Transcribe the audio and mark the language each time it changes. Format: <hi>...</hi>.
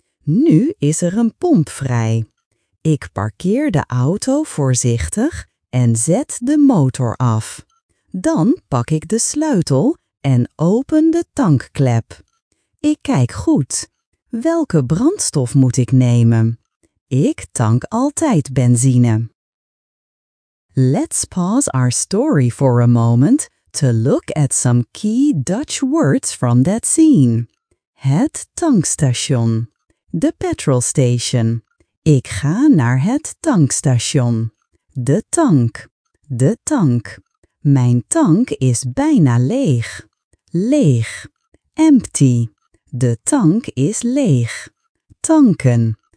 <nl>Nu is er een pomp vrij. Ik parkeer de auto voorzichtig en zet de motor af. Dan pak ik de sleutel en open de tankklep. Ik kijk goed. Welke brandstof moet ik nemen? Ik tank altijd benzine.</nl> <en>Let's pause our story for a moment to look at some key Dutch words from that scene.</en> <nl>Het tankstation. The petrol station. Ik ga naar het tankstation. De tank. De tank. Mijn tank is bijna leeg. Leeg. Empty. De tank is leeg. Tanken.</nl>